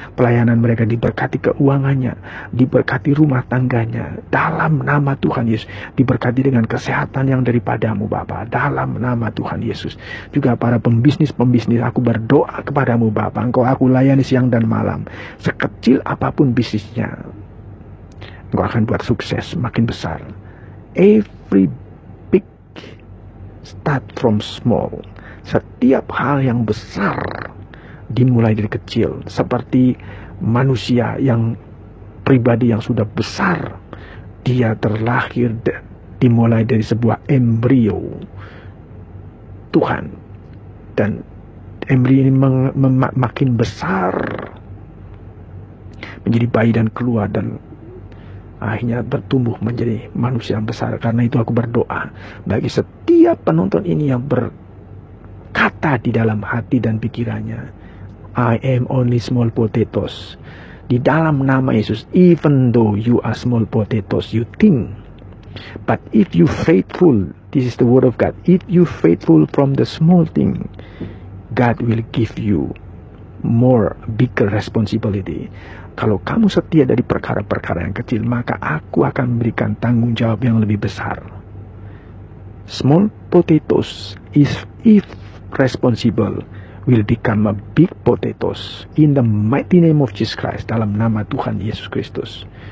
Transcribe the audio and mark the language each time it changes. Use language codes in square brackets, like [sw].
[id] Pelayanan mereka diberkati keuangannya, diberkati rumah tangganya, dalam nama Tuhan Yesus. Diberkati dengan kesehatan yang daripadamu Bapa, dalam nama Tuhan Yesus. Juga para pembisnis-pembisnis, aku berdoa kepadamu Bapa, Engkau aku layani siang dan malam, sekecil apapun bisnisnya, Engkau akan buat sukses makin besar. [en] Every big start from small. [id] Setiap hal yang besar dimulai dari kecil. Seperti manusia yang pribadi yang sudah besar, dia terlahir dimulai dari sebuah embrio Tuhan, dan embrio ini makin besar menjadi bayi dan keluar dan akhirnya bertumbuh menjadi manusia yang besar. Karena itu aku berdoa bagi setiap penonton ini yang berkata di dalam hati dan pikirannya, [en] I am only small potatoes. [id] Di dalam nama Yesus, [en] even though you are small potatoes, you think, but if you faithful, this is the word of God, if you faithful from the small thing, God will give you more bigger responsibility. [id] Kalau kamu setia dari perkara-perkara yang kecil, maka aku akan memberikan tanggung jawab yang lebih besar. [en] Small potatoes is if responsible will become a big potatoes in the mighty name of Jesus Christ, [id] dalam nama Tuhan Yesus Kristus.